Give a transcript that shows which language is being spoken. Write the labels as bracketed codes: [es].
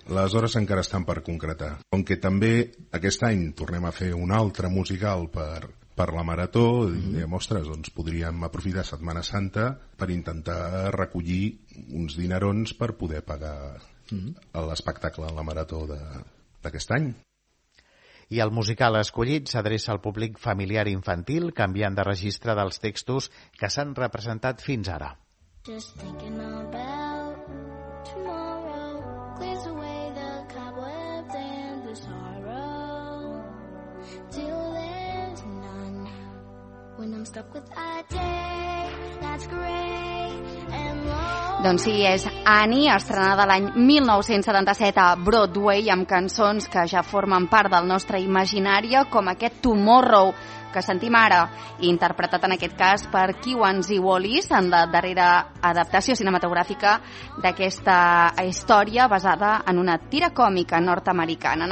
[ca] Les hores encara estan per concretar. Com que també aquest any tornem a fer un altre musical per la Marató, diem, ostres, doncs podríem aprofitar Setmana Santa per intentar recollir uns dinerons per poder pagar l'espectacle a la Marató d'aquest any. I el musical escollit s'adreça al públic familiar infantil, canviant de registre dels textos que s'han representat fins ara. [en] Just thinking about tomorrow, clears away the cobwebs and the sorrow. Till there's none, when I'm stuck with a day that's gray and long. [ca] Doncs sí, és Annie, estrenada l'any 1977 a Broadway, amb cançons que ja formen part del nostre imaginari, com aquest Tomorrow que sentim ara, interpretat en aquest cas per Kiwanis i Wallis en la darrera adaptació cinematogràfica d'aquesta història basada en una tira còmica nord-americana.